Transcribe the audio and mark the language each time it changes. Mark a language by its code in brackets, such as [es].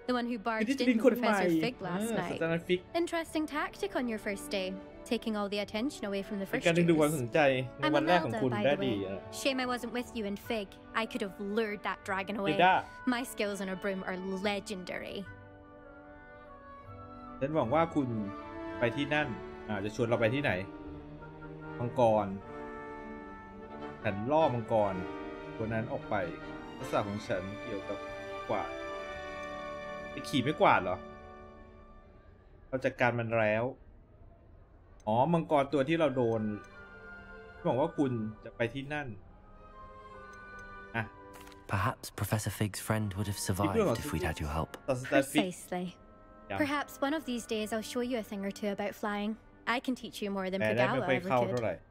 [en] The one who barged in with Professor Fig last night Interesting tactic on your first day Taking all the attention away from the first years [th] การดึงความสนใจในวันแรกของคุณได้ดี [en] Shame I wasn't with you and Fig I could have lured that dragon away My skills on a broom are legendary [th] ฉันหวังว่าคุณไปที่นั่นจะชวนเราไปที่ไหนมังกรฉันล่อมังกรตัวนั้นออกไปทักษะของฉันเกี่ยวกับกวาดไปขี่ไม่กวาดเหรอเราจัดการมันแล้วอ๋อมังกรตัวที่เราโดนบอกว่าคุณจะไปที่นั่นอะ [en] Perhaps Professor Fig's friend would have survived if we'd had your help. Precisely. Perhaps one of these days I'll show you a thing or two about flying. I can teach you more than Pagawa ever could.